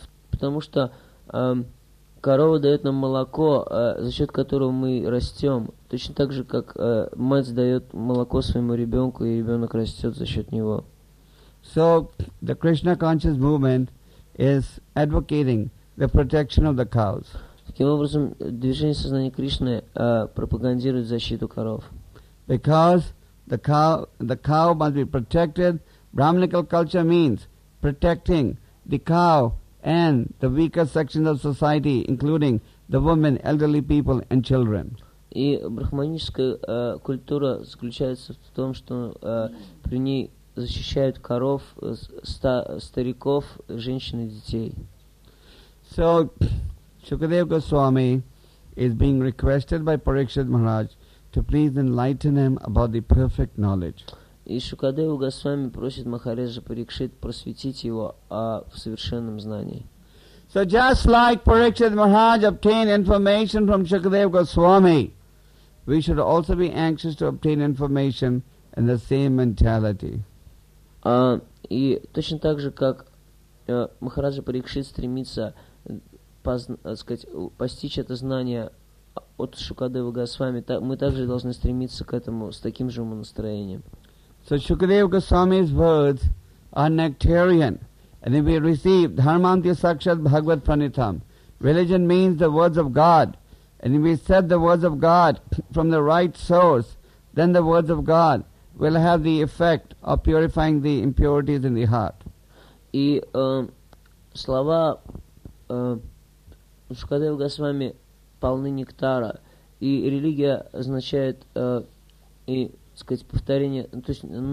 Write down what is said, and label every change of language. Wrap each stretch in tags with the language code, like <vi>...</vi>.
<ru>Потому что корова дает нам молоко, за счет которого мы растем. Точно так же, как мать дает молоко своему ребенку, и ребенок растет за счет него.</ru> <en>So the Krishna conscious movement is advocating the protection of the cows.</en> <ru>Таким образом, движение сознания Кришны пропагандирует защиту коров.</ru> <en>Because The cow must be protected. Brahminical culture means protecting the cow and the weaker sections of society, including the women, elderly people, and children.</en> <ru>И брахманическая культура заключается в том, что при ней защищают коров, стариков, женщин и детей.</ru> <en>So, Shukadev Goswami is being requested by Parikshit Maharaj to please enlighten him about the perfect knowledge.</en> <ru>И Шукадева Госвами просит Махараджа Парикшит просветить его о совершенном знании.</ru> <en>So just like Parikshit Maharaj obtained information from Shukadeva Goswami, we should also be anxious to obtain information in the same mentality.</en> <ru>И точно так же, как Махараджа Парикшит стремится постичь это знание от Шукадева Госвами, мы также должны стремиться к этому с таким же умонастроением.</ru> <en>So Shukadeva Goswami's words are nectarian. And if we receive</en> <sa>Dharmantya Sakshat Bhagavat Pranitam,</sa> <en>religion means the words of God. And if we set the words of God from the right source, then the words of God will have the effect of purifying the impurities in the heart.</en> <ru>И слова Шукадева Госвами полны нектара, и религия означает повторение, то есть</ru>